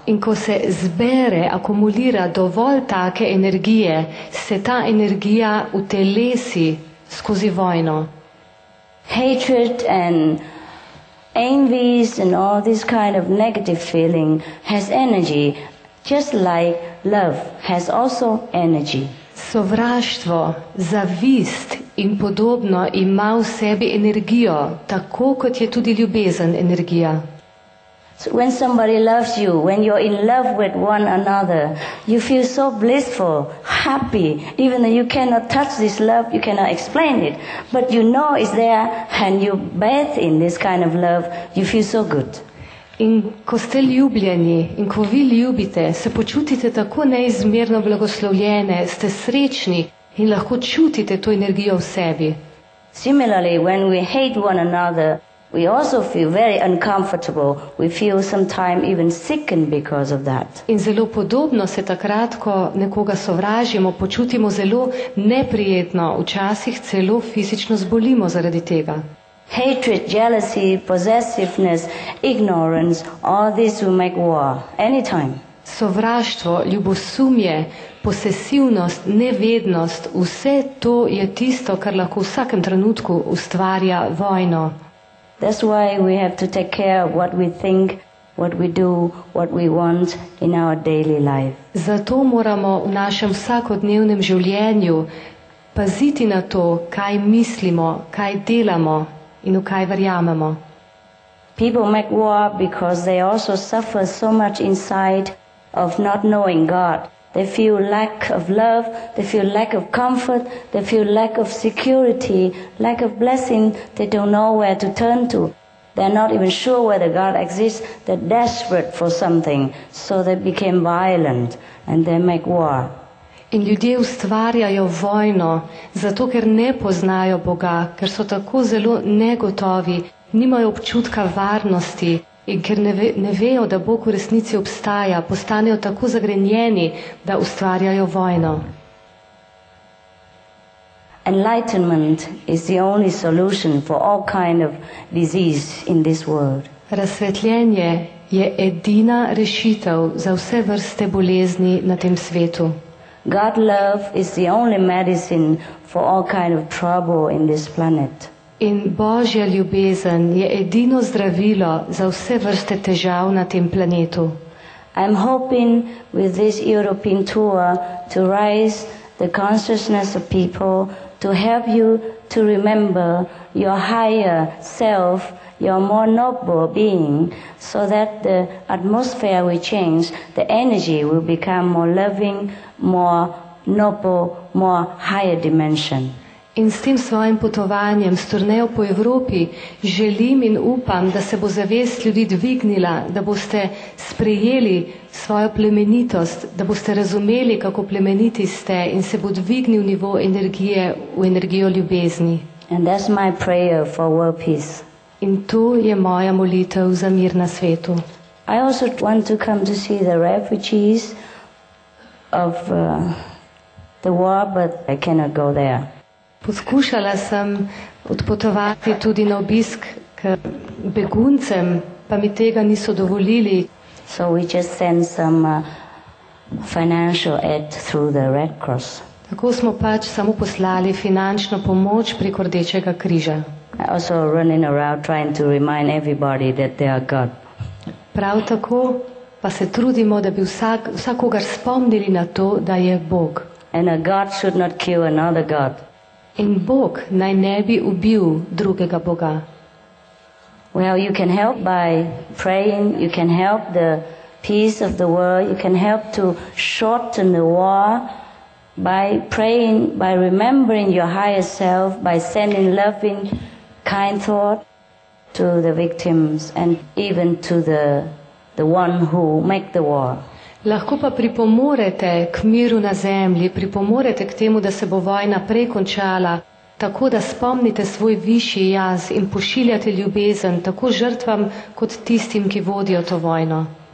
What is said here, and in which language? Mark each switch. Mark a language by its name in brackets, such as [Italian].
[Slovenian] In ko se zbere, akumulira dovolj take energije, se ta energija utelesi skozi vojno. [English] Hatred and envy and all this kind of negative feeling has energy, just like love has also energy. [Slovenian] Sovraštvo, zavist in podobno ima v sebi energijo, tako kot je tudi ljubezen energija. [English] So when somebody loves you, when you're in love with one another, you feel so blissful, happy, even though you cannot touch this love, you cannot explain it. But you know it's there and you bathe in this kind of love, you feel so good. [Slovenian] In ko ste ljubljeni in ko vi ljubite, se počutite tako neizmerno blagoslovljene, ste srečni in lahko čutite to energijo v sebi. [English] Similarly, when we hate one another, we also feel very uncomfortable. We feel sometimes even sickened because of that. [Slovenian] In zelo podobno se takrat, ko nekoga sovražimo, počutimo zelo neprijetno, včasih celo fizično zbolimo zaradi tega. [English] Hatred, jealousy, possessiveness, ignorance, all this will make war, anytime. [Slovenian] Sovraštvo, ljubosumje, posesivnost, nevednost, vse to je tisto, kar lahko vsakem trenutku ustvarja vojno. [English] That's why we have to take care of what we think, what we do, what we want in our daily life. [Slovenian] Zato moramo v našem vsakodnevnem življenju paziti na to, kaj mislimo, kaj delamo in v kaj verjamemo. [English] People make war because they also suffer so much inside of not knowing God. They feel lack of love, they feel lack of comfort, they feel lack of security, lack of blessing, they don't know where to turn to. They're not even sure whether God exists, they're desperate for something, so they became violent and they make war. [Slovenian] In ljudje ustvarjajo vojno, zato ker ne poznajo Boga, ker so tako zelo negotovi, nimajo občutka varnosti. In ker ne vejo, da Bog v resnici obstaja, postanejo tako zagrenjeni, da ustvarjajo vojno. [English] Enlightenment is the only solution for all kind of disease in this world. [Slovenian] Razsvetljenje je edina rešitev za vse vrste bolezni na tem svetu. [English] God love is the only medicine for all kind of trouble in this planet. [Slovenian] In Božja ljubezen je edino zdravilo za vse vrste težav na tem planetu. [English] I'm hoping with this European tour to raise the consciousness of people to help you to remember your higher self, your more noble being, so that the atmosphere will change, the energy will become more loving, more noble, more higher dimension. [Slovenian] In s tem svojim potovanjem, s turnejo po Evropi, želim in upam, da se bo zavest ljudi dvignila, da boste sprejeli svojo plemenitost, da boste razumeli, kako plemeniti ste in se bo dvignil nivo energije v energijo ljubezni. [English] And that's my prayer for world peace. [Slovenian] In to je moja molitev za mir na svetu. [English] I also want to come to see the refugees of the war, but I cannot go there. [Slovenian] Poskušala sem odpotovati tudi na obisk k beguncem, pa mi tega niso dovolili. [English] So we just send some financial aid through the Red Cross. [Slovenian] Tako smo pač samo poslali finančno pomoč preko Rdečega križa. [English] I also running around trying to remind everybody that they are God. [Slovenian] Prav tako pa se trudimo, da bi vsakogar spomnili na to, da je Bog. [English] And a God should not kill another God. [Slovenian] In Bog naj ne bi ubil drugega Boga. [English] Well, you can help by praying, you can help the peace of the world, you can help to shorten the war by praying, by remembering your higher self, by sending loving, kind thought to the victims and even to the one who make the war. [Slovenian] Lahko pa pripomorete k miru na zemlji, pripomorete k temu, da se bo vojna prej končala, tako da spomnite svoj višji jaz in pošiljate ljubezen tako žrtvam kot tistim, ki vodijo to vojno.